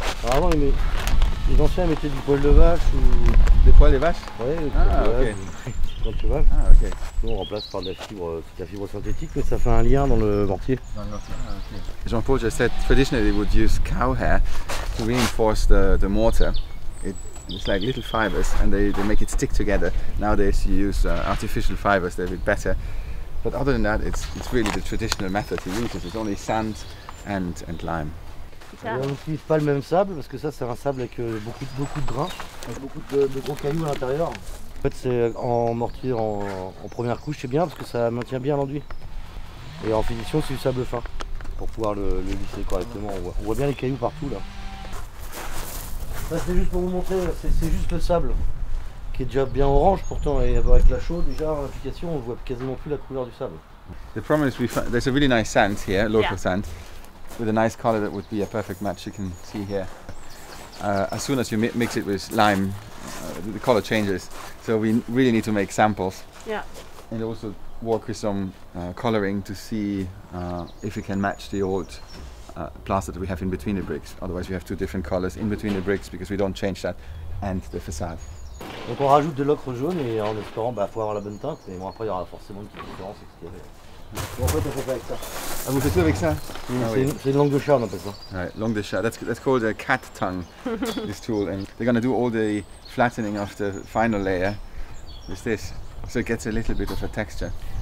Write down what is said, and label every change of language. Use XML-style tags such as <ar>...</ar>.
<fr>Avant, les anciens mettaient du poil de vache ou... Des poils de vache? Oui, des poils de cheval. Ah, ok. Nous, on remplace par de la fibre synthétique, mais ça fait un lien dans le mortier. Ah, ok.</fr> <en>Jean-Paul just said, traditionally, they would use cow hair to reinforce the mortar. It's like little fibers, and they make it stick together. Nowadays, you use artificial fibers, they're a bit better. But other than that, it's really the traditional method he uses. It's only sand and lime.</en> <fr>On n'utilise pas le même sable parce que ça c'est un sable avec beaucoup de grains, avec beaucoup de gros cailloux à l'intérieur. En fait c'est en mortier en première couche, c'est bien parce que ça maintient bien l'enduit. Et en finition c'est du sable fin pour pouvoir le lisser correctement. On voit bien les cailloux partout là. Ça c'est juste pour vous montrer, c'est juste le sable qui est déjà bien orange pourtant, et avec la chaux déjà en application on voit quasiment plus la couleur du sable.</fr> <en>The problem is we find there's a really nice sand here, local sand. With a nice color that would be a perfect match, you can see here. As soon as you mix it with lime, the color changes. So we really need to make samples. Yeah. And also work with some coloring to see if it can match the old plaster that we have in between the bricks. Otherwise, we have two different colors in between the bricks because we don't change that and the facade.</en> <fr>Donc on rajoute de l'ocre jaune et en espérant bah faut avoir la bonne teinte. Mais bon après il y aura forcément une petite différence avec ce qu'il y avait. Ah, vous faites tout avec ça? C'est une langue de chat, on appelle ça.</fr> <en>Right, langue de chat. That's called a cat tongue, this tool. And they're going to do all the flattening of the final layer with this, so it gets a little bit of a texture.</en>